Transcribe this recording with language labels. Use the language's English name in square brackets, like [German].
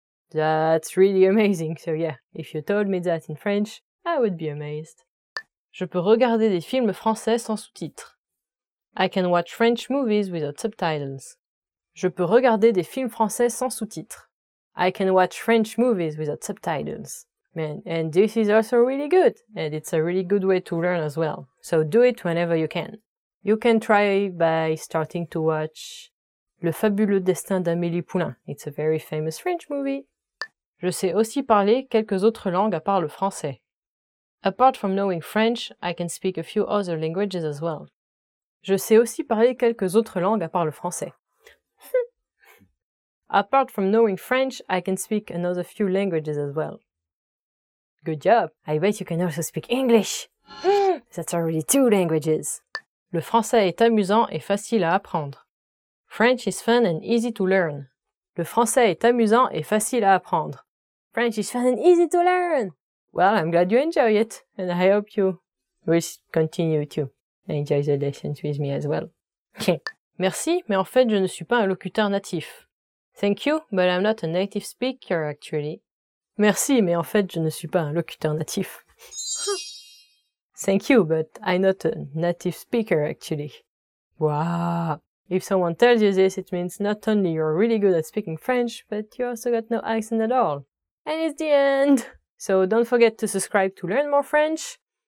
[English] That's really amazing, so yeah, if you told me that in French, I would be amazed. [French] Je peux regarder des films français sans sous-titres. [English] I can watch French movies without subtitles. [French] Je peux regarder des films français sans sous-titres. [English] I can watch French movies without subtitles. Man, and this is also really good, and it's a really good way to learn as well. So do it whenever you can. You can try by starting to watch [French] Le fabuleux destin d'Amélie Poulain. [English] It's a very famous French movie. [French] Je sais aussi parler quelques autres langues à part le français. [English] Apart from knowing French, I can speak a few other languages as well. [French] Je sais aussi parler quelques autres langues à part le français. [English] Apart from knowing French, I can speak another few languages as well. Good job! I bet you can also speak English! That's already 2 languages! [French] Le français est amusant et facile à apprendre. [English] French is fun and easy to learn. [French] Le français est amusant et facile à apprendre. [English] French is fun and easy to learn! Well, I'm glad you enjoy it, and I hope you will continue to enjoy the lessons with me as well. [French] Merci, mais en fait, je ne suis pas un locuteur natif. [English] Thank you, but I'm not a native speaker, actually. [French] Merci, mais en fait, je ne suis pas un locuteur natif. [English] Thank you, but I'm not a native speaker, actually. Wow. If someone tells you this, it means not only you're really good at speaking French, but you also got no accent at all. And it's the end. So don't forget to subscribe to learn more French.